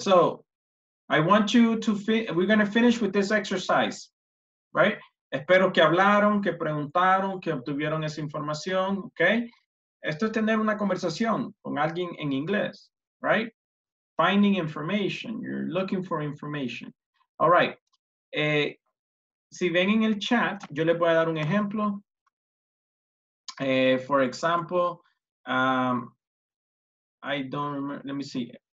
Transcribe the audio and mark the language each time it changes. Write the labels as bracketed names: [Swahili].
[English] So I want you to we're going to finish with this exercise, right? [Spanish] Espero que hablaron, que preguntaron, que obtuvieron esa información, okay? Esto es tener una conversación con alguien en inglés, right? [English] Finding information, you're looking for information. All right. [Spanish] Si ven en el chat, yo les voy a dar un ejemplo. [English] For example, I don't remember, let me see.